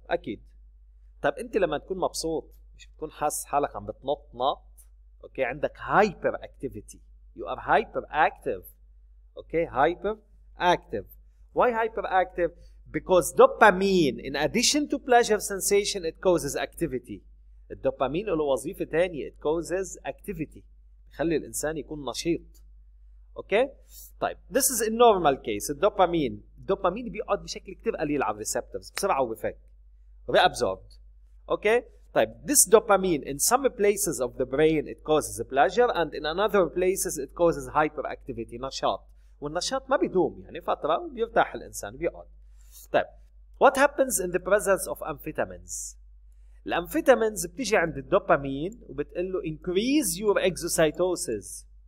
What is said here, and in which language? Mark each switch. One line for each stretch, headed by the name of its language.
Arabic: أكيد. طب انت لما تكون مبسوط مش بتكون حاس حالك عم بتنط نط. Okay. عندك hyperactivity.
English: You are hyperactive. Okay. Hyperactive. Why hyperactive? Because dopamine in addition to pleasure sensation it causes activity.
Arabic: الدوبامين له وظيفة تانية
English: it causes activity
Arabic: يخلي الإنسان يكون نشيط.
English: Okay. طيب this is a normal case.
Arabic: الدوبامين بيقعد بشكل كتير قليل على receptors بسرعة وبفك reabsorbed.
English: Okay. طيب this dopamine in some places of the brain it causes a pleasure and in another places it causes hyperactivity
Arabic: نشاط والنشاط ما بيدوم يعني فترة بيرتاح الإنسان بيقعد.
English: طيب what happens in the presence of amphetamines؟
Arabic: الامفيتامينز بتيجي عند الدوبامين وبتقول له
English: increase your exocytosis.